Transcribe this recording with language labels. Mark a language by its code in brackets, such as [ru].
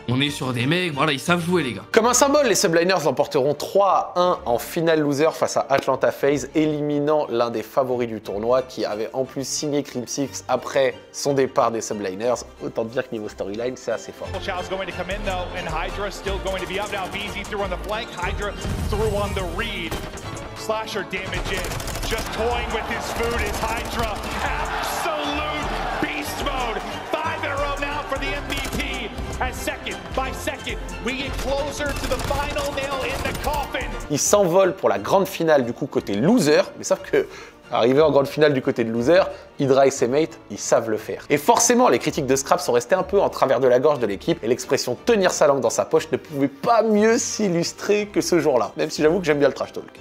[fr] On est sur des mecs. Voilà, ils savent jouer, les gars. Comme un symbole, les Subliners l'emporteront 3-1 en finale loser face à Atlanta FaZe, éliminant l'un des favoris du tournoi qui avait en plus signé Crim 6 après son départ des Subliners. Autant dire que niveau storyline, c'est assez fort. [en] Chow's going to come in though, and Hydra still going to be up now. VZ threw on the flank, Hydra threw on the reed. Slasher damage in, just toying with his food is Hydra. Absolute beast mode, 5 in a row now for the MVP. As second by second, we get closer to the final nail in the coffin. [fr] Il s'envole pour la grande finale du coup côté loser, mais sauf que arrivé en grande finale du côté de loser, Hydra et ses mates, ils savent le faire. Et forcément, les critiques de Scrap sont restées un peu en travers de la gorge de l'équipe et l'expression « tenir sa langue dans sa poche » ne pouvait pas mieux s'illustrer que ce jour-là. Même si j'avoue que j'aime bien le trash talk.